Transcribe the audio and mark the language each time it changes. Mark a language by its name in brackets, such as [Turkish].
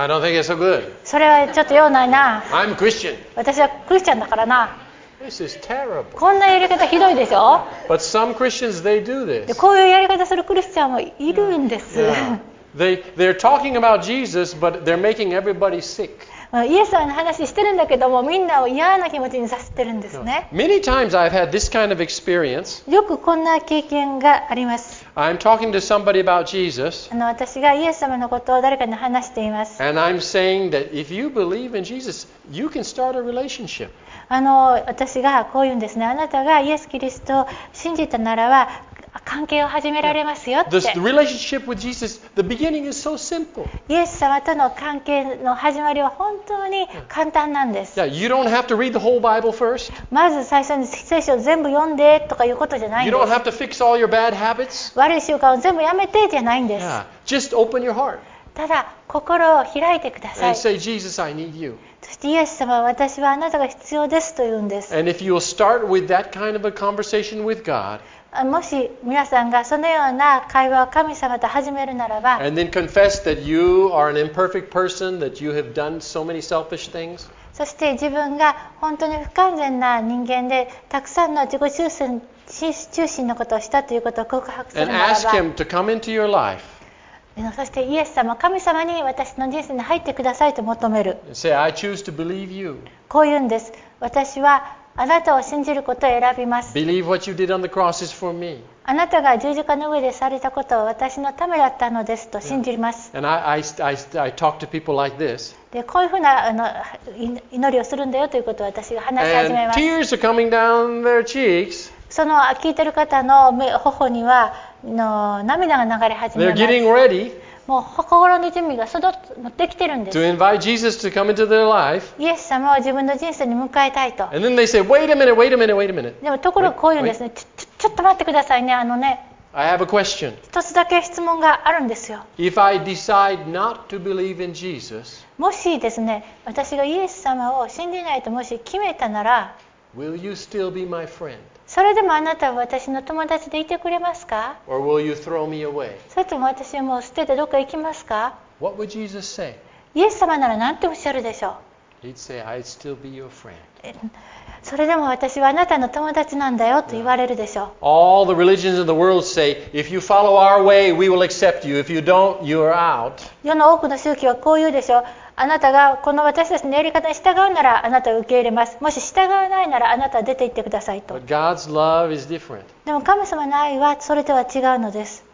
[English] I don't think it's so good. [Japanese] それはちょっと用ないな。 [English] I'm Christian. [Japanese] 私はクリスチャンだからな。 [English] This is terrible. [Japanese] こんなやり方ひどいでしょ。 [English] But some Christians, they do this. [Japanese] でこういうやり方するクリスチャンもいるんです。 [English] Yeah. Yeah. They're talking about Jesus, but they're making everybody sick. [Japanese] イエス様の話してるんだけども、みんなを嫌な気持ちにさせてるんですね。 [English] Many times I've had this kind of experience. [Japanese] よくこんな経験があります。 [English] I'm talking to somebody about Jesus. [Japanese] 私がイエス様のことを誰かに話しています。 [English] And I'm saying that if you believe in Jesus, you can start a relationship. [Japanese] 私がこう言うんですね。あなたがイエスキリストを信じたならば関係を始められますよって。 [English] The relationship with Jesus, the beginning is so simple. [Japanese] イエス様との関係の始まりは本当に簡単なんです。 [English] Yeah, you don't have to read the whole Bible first. [Japanese] まず最初に聖書を全部読んでとかいうことじゃないんです。 [English] You don't have to fix all your bad habits. [Japanese] 悪い習慣を全部やめてじゃないんです。 [English] Yeah, just open your heart. [Japanese] ただ心を開いてください。 [English] And say, Jesus, I need you. そ [Japanese] そしてイエス様は私はあなたが必要ですと言うんです。 [English] And if you will start with that kind of a conversation with God, [Japanese] もし皆さんがそのような会話を神様と始めるならば、 [English] And then confess that you are an imperfect person, that you have done so many selfish things, [Japanese] そして自分が本当に不完全な人間でたくさんの自己中心中心のことをしたということを告白するならば、 [English] and ask him to [Japanese] そしてイエス様、神様に私の人生に入ってくださいと求める。 [English] Say, I choose to believe you. [Japanese] こう言うんです。私はあなたを信じることを選びます。 [English] Believe what you did on the cross is for me. [Japanese] あなたが十字架の上でされたことは私のためだったのですと信じます。 [English] Yeah. And I talk to people like this. [Japanese] でこういうふうな祈りをするんだよということを私が話し始めます。 [English] And tears are coming down their cheeks. [Japanese] その聞いてる方の頬にはの涙が流れ始めます。 [English] They're getting ready. [Japanese] もう心の準備がそどっとできてるんです。 [English] To invite Jesus to come into their life. [Japanese] イエス様を自分の人生に迎えたいと。 [English] And then they say, wait a minute, wait a minute, wait a minute. [Japanese] でもところがこういうんですね。ちょっと待ってくださいね、あのね。 [English] I have a question. [Japanese] 一つだけ質問があるんですよ。 [English] If I decide not to believe in Jesus, [Japanese] もしですね、私がイエス様を信じないともし決めたなら、 [English] will you still be my friend? [Japanese] それでもあなたは私の友達でいてくれますか? [English] Or will you throw me away? [Japanese] それとも私をもう捨ててどこか行きますか? [English] What would Jesus say? [Japanese] イエス様なら何ておっしゃるでしょう? [English] He'd say, I'd still be your friend. [Japanese] それでも私はあなたの友達なんだよと言われるでしょう。 [English] All the religions of the world say, if you follow our way, we will accept you. If you don't, you're out. [Japanese] 世の多くの宗教はこう言うでしょう。あなたがこの私たちのやり方に従うならあなたを受け入れます。もし従わないならあなたは出て行ってくださいと。 [English] But God's love is different. [Japanese] でも神様の愛はそれとは違うのです。